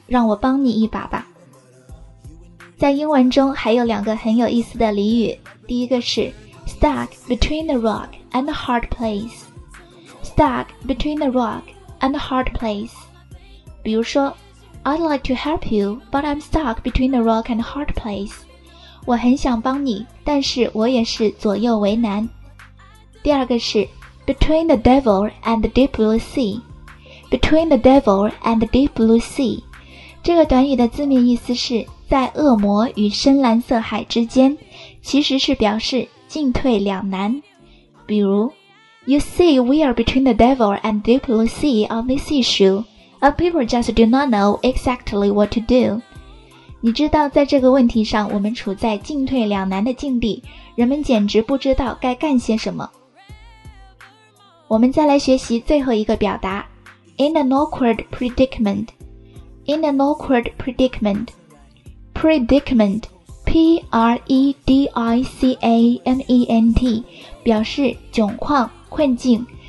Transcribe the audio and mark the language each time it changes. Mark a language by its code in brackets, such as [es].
[zh] 让我帮你一把吧。在英文中还有两个很有意思的俚语，第一个是 [en] stuck between a rock and a hard place. Stuck between a rock and a hard place. [zh] 比如说 [en] I'd like to help you, but I'm stuck between a rock and a hard place. [zh] 我很想帮你，但是我也是左右为难。第二个是 [en] Between the devil and the deep blue sea. Between the devil and the deep blue sea. [zh] 这个短语的字面意思是在恶魔与深蓝色海之间，其实是表示进退两难。比如 [en] You see, we are between the devil and the deep blue sea on this issue, and people just do not know exactly what to do. [zh] 你知道在这个问题上我们处在进退两难的境地，人们简直不知道该干些什么。我们再来学习最后一个表达 [en] In an awkward predicament. In an awkward predicament. Predicament, P-R-E-D-I-C-A-M-E-N-T, [zh] 表示窘况、困境。